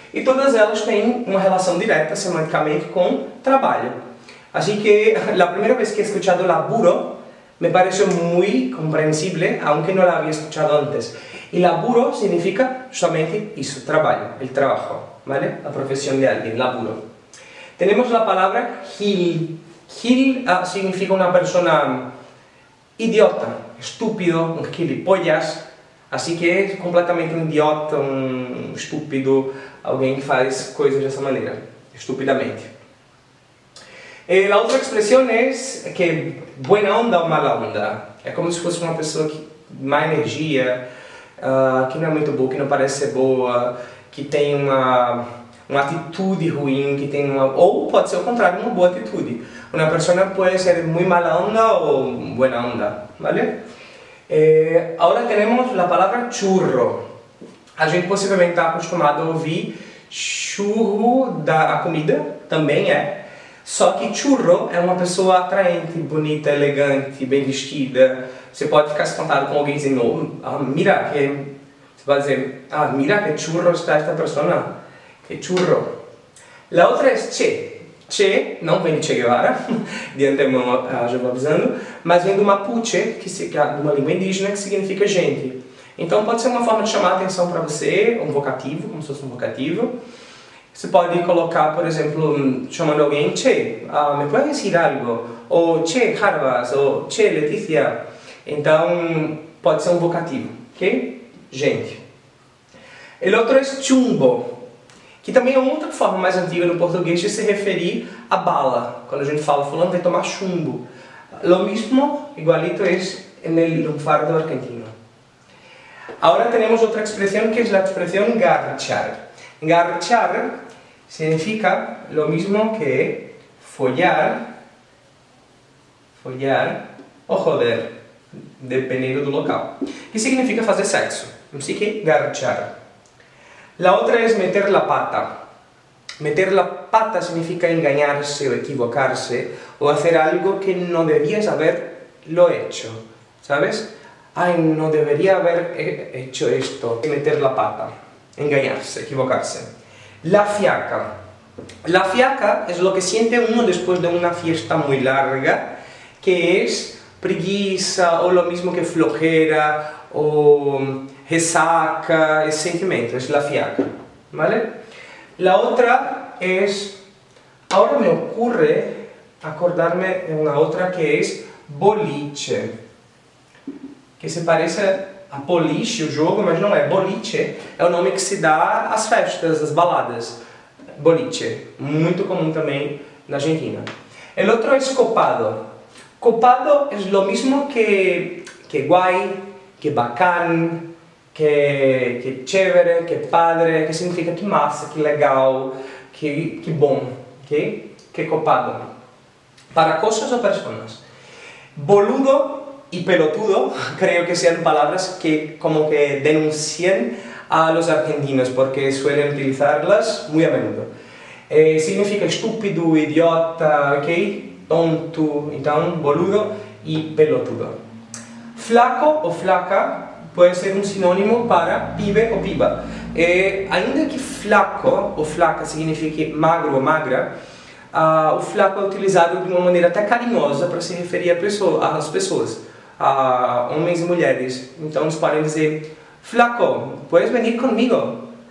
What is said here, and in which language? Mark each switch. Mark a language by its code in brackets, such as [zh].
[pt] E todas elas têm uma relação direta, semanticamente, com trabalho. [es] Así que la primera vez que he escuchado laburo me pareció muy comprensible, aunque no la había escuchado antes. Y laburo significa solamente eso, trabajo, el trabajo, ¿vale? La profesión de alguien, laburo. Tenemos la palabra gil. Gil significa una persona idiota, estúpido, un gilipollas. Así que es completamente un idiota, un estúpido, alguien que hace cosas de esa manera, estúpidamente. La otra expresión es que buena onda o mala onda. Es como si fuese una persona que más energía, que no es muy buena, que no parece boa, que tiene una, una actitud ruin que tiene, o puede ser al contrario, una buena actitud. Una persona puede ser muy mala onda o buena onda, ¿vale? Ahora tenemos la palabra churro. [pt] A gente possivelmente está acostumado a ouvir churro da a comida, também é. Só que churro é uma pessoa atraente, bonita, elegante, bem vestida. Você pode ficar espantado com alguém dizendo, [es] oh, mira que... [pt] Você pode dizer, ah, [es] mira que churro está esta pessoa. [pt] Que churro. A outra é che. Che, não vem de Che Guevara, de antemão já vou avisando, mas vem do Mapuche, que é uma língua indígena, que significa gente. Então pode ser uma forma de chamar a atenção para você, um vocativo, como se fosse um vocativo. Você pode colocar, por exemplo, chamando alguém, che, me pode dizer algo? Ou che, Carvas, ou che, Letícia. Então pode ser um vocativo, ok? Gente. O outro é chumbo, que também é uma outra forma mais antiga no português de se referir a bala. Quando a gente fala fulano, vai tomar chumbo. [es] Lo mismo, igualito, es en el lunfardo argentino. Ahora tenemos otra expresión, que es la expresión garchar. Garchar significa lo mismo que follar, follar o joder, dependiendo del local. ¿Qué significa hacer sexo? Así que garchar. La otra es meter la pata. Meter la pata significa engañarse o equivocarse o hacer algo que no debías haberlo hecho, ¿sabes? Ay, no debería haber hecho esto. Meter la pata. Engañarse, equivocarse. La fiaca. La fiaca es lo que siente uno después de una fiesta muy larga, que es preguiça, o lo mismo que flojera, o resaca, es sentimiento, es la fiaca. ¿Vale? La otra es... Ahora me ocurre acordarme de una otra que es boliche, que se parece a boliche, [pt] o jogo, mas não é. Boliche é o nome que se dá às festas, às baladas. Boliche, muito comum também na Argentina. O outro é copado. Copado é o mesmo que guai, que bacán, que chévere, que padre, que significa que massa, que legal, que bom, ok? Que copado. Para coisas ou pessoas. [es] Boludo y pelotudo, creo que sean palabras que como que denuncien a los argentinos, porque suelen utilizarlas muy a menudo. Significa estúpido, idiota, ok, tonto, entonces boludo y pelotudo. Flaco o flaca puede ser un sinónimo para pibe o piba. [pt] Ainda que flaco o flaca signifique magro o magra, o flaco é utilizado de uma maneira até carinhosa para se referir às pessoas. A homens e mulheres. Então eles podem dizer, [es] flaco, puedes venir comigo?